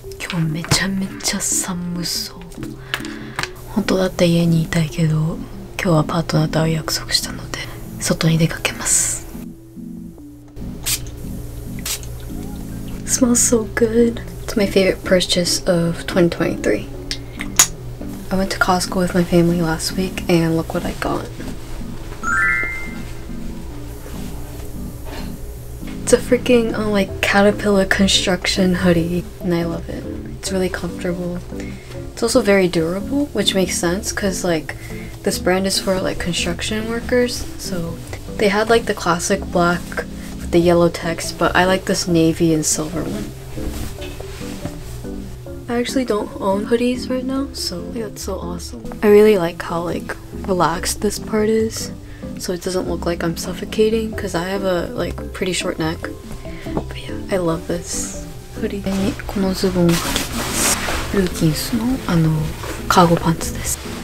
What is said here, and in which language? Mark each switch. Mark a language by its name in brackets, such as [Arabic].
[Japanese] 今日めちゃめちゃ寒そう。本当だったら家にいたいけど、今日はパートナーと会う約束したので外に出かけます。 [English] Smells so good. It's my favorite purchase of 2023. I went to Costco with my family last week and look what I got. It's a freaking like caterpillar construction hoodie and I love it. It's really comfortable. It's also very durable, which makes sense because like this brand is for like construction workers. So they had like the classic black with the yellow text, but I like this navy and silver one. I actually don't own hoodies right now, so that's so awesome. I really like how like relaxed this part is, so it doesn't look like I'm suffocating because I have a like pretty short neck. But yeah, I love this hoodie. [Japanese] このズボンを履きます。ルーキンスのあのカーゴパンツです。